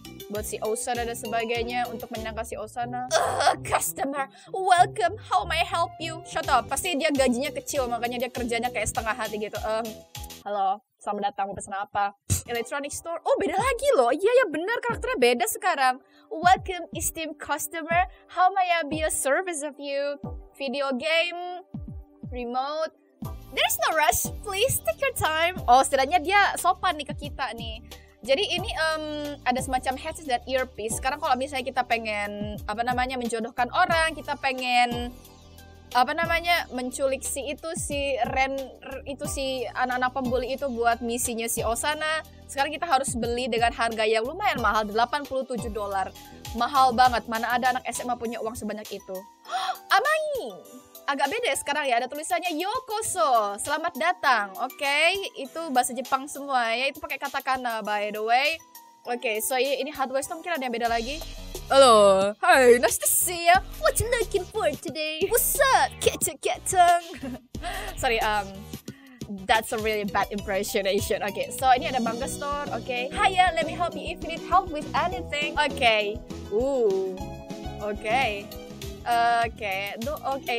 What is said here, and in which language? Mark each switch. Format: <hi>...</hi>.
<id>Buat si Osana dan sebagainya. Untuk menyenangkan si Osana.</id> <en>Customer, welcome. How may I help you? Shut up.</en> <id>Pasti dia gajinya kecil. Makanya dia kerjanya kayak setengah hati gitu. Halo, selamat datang. Pesan apa?</id> <en>Electronic store.</en> <id>Oh, beda lagi loh. Iya, benar. Karakternya beda sekarang.</id> <en>Welcome, esteemed customer. How may I be a service of you? Video game, remote. There's no rush. Please take your time.</en> <id>Oh, setidaknya dia sopan nih ke kita nih. Jadi ini ada semacam headset dan earpiece. Sekarang kalau misalnya kita pengen menjodohkan orang, kita pengen menculik si itu, si Ren itu, si anak-anak pembuli itu buat misinya si Osana. Sekarang kita harus beli dengan harga yang lumayan mahal, $87. Mahal banget, mana ada anak SMA punya uang sebanyak itu. Amai! Agak beda sekarang ya, ada tulisannya Yokoso, selamat datang. Oke, okay, itu bahasa Jepang semua ya, itu pakai katakana</id> <en>by the way. Oke, okay, so ini hardware store,</en> <id>mungkin ada yang beda lagi.</id> <en>Halo, hi, nice to see ya. What you looking for today? What's up, keceketeng? Sorry, that's a really bad impressionation. Okay, so</en> <id>ini ada</id> <en>manga store, okay. Hiya, let me help you if you need help with anything. Okay. Okay. Okay.</en>